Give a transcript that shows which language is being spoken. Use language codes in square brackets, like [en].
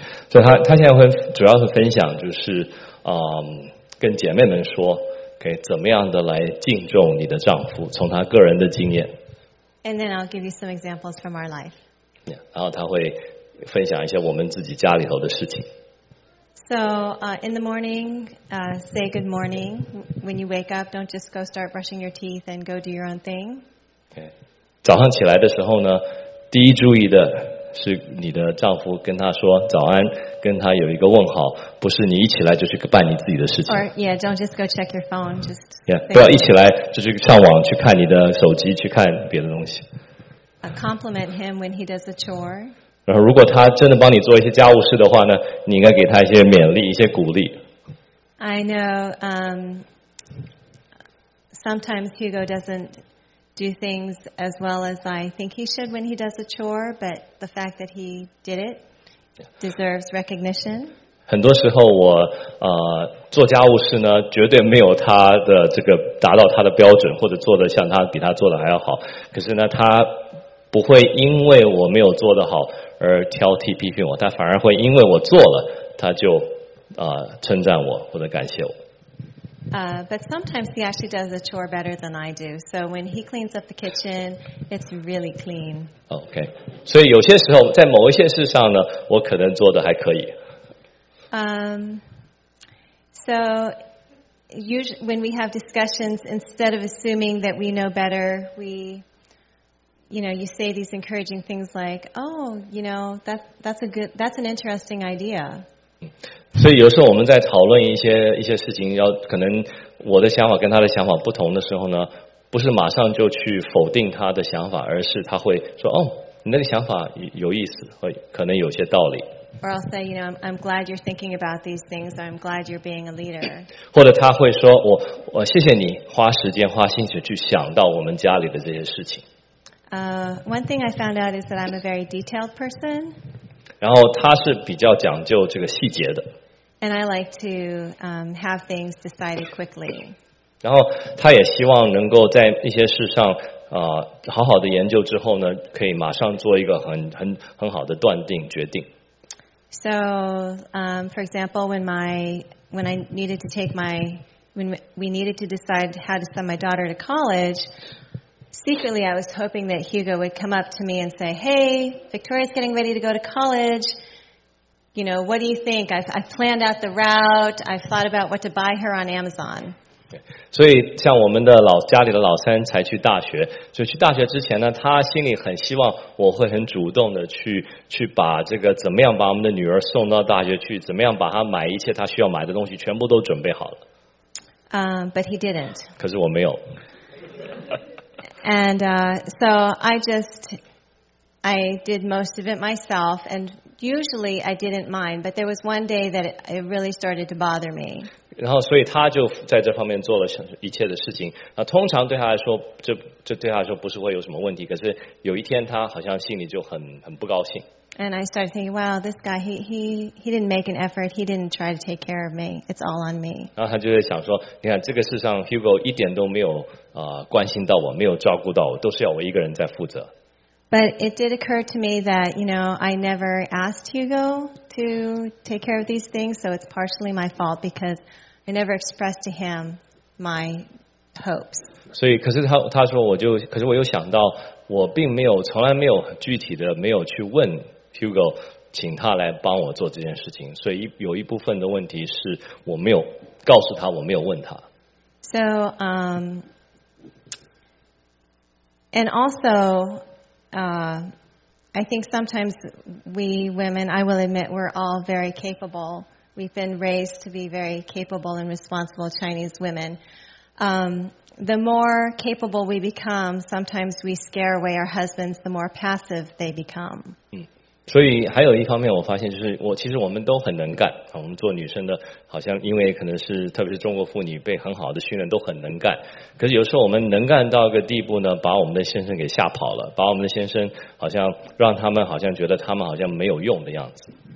[zh] 所以他现在会主要是分享就是跟姐妹们说 okay, 怎么样的来敬重你的丈夫从他个人的经验。 [en] And then I'll give you some examples from our life. [zh] Yeah, 然后他会分享一些我们自己家里头的事情。 [en] So, in the morning, say good morning. When you wake up, don't just go start brushing your teeth and go do your own thing. Okay. [zh] 早上起来的时候呢第一注意的是你的丈夫跟他说早安跟他有一个问好不是你一起来就去办你自己的事情 [en] Or, yeah, don't just go check your phone, just [zh] yeah, 不要一起来就去上网去看你的手机去看别的东西 [en] compliment him when he does a chore [zh] 然后如果他真的帮你做一些家务事的话呢你应该给他一些勉励一些鼓励 [en] I know sometimes Hugo doesn't do things as well as I think he should when he does a chore, but the fact that he did it deserves recognition. [zh] 很多时候我做家务事呢绝对没有他的这个达到他的标准或者做得像他比他做得还要好可是呢他不会因为我没有做得好而挑剔批评我他反而会因为我做了他就称赞我或者感谢我。 [en] But sometimes he actually does a chore better than I do. So when he cleans up the kitchen, it's really clean. Okay. [zh] 所以有些时候在某一些事上呢我可能做的还可以。 [en] So usually when we have discussions, instead of assuming that we know better, we, you know, you say these encouraging things like, oh, you know, that's an interesting idea. [zh] 所以有时候我们在讨论一些事情要可能我的想法跟他的想法不同的时候呢不是马上就去否定他的想法而是他会说哦你那个想法有意思会可能有些道理 [en] Or I'll say, you know, I'm glad you're thinking about these things. I'm glad you're being a leader. [zh] 或者他会说我谢谢你花时间花心血去想到我们家里的这些事情 [en] One thing I found out is that I'm a very detailed person. [zh] 然后他是比较讲究这个细节的。 [en] And I like to have things decided quickly. [zh] 然后他也希望能够在一些事上好好的研究之后呢可以马上做一个很好的断定决定。 [en] So, for example, when we needed to decide how to send my daughter to college,Secretly, I was hoping that Hugo would come up to me and say, Hey, Victoria's getting ready to go to college. You know, what do you think? I've planned out the route. I've thought about what to buy her on Amazon. [zh] 所以像我们的老家里的老三才去大学所以去大学之前呢他心里很希望我会很主动的去把这个怎么样把我们的女儿送到大学去怎么样把她买一切她需要买的东西全部都准备好了。 [en] But he didn't. [zh] 可是我没有。 [en] And so I did most of it myself, and usually I didn't mind, but there was one day that it really started to bother me. [zh] 然后所以他就在这方面做了一切的事情。那通常对他来说，这对他来说不是会有什么问题，可是有一天他好像心里就很不高兴。 [en] And I started thinking, wow, this guy, he didn't make an effort. He didn't try to take care of me. It's all on me. [zh] 然后他就会想说，你看这个世上 ，Hugo 一点都没有关心到我，没有照顾到我，都是要我一个人在负责。 [en] But it did occur to me that, you know, I never asked Hugo to take care of these things, so it's partially my fault because I never expressed to him my hopes. [zh] 所以，可是他说，我就，可是我又想到。我并没有从来没有具体的没有去问 Hugo 请他来帮我做这件事情所以有一部分的问题是我没有告诉他我没有问他 [en] So and also I think sometimes we women I will admit we're all very capable we've been raised to be very capable and responsible Chinese womenThe more capable we become, sometimes we scare away our husbands, the more passive they become. [zh] 所以还有一方面我发现就是其实我们都很能干我们做女生的好像因为可能是特别是中国妇女被很好的训练都很能干可是有时候我们能干到一个地步呢把我们的先生给吓跑了把我们的先生好像让他们好像觉得他们好像没有用的样子。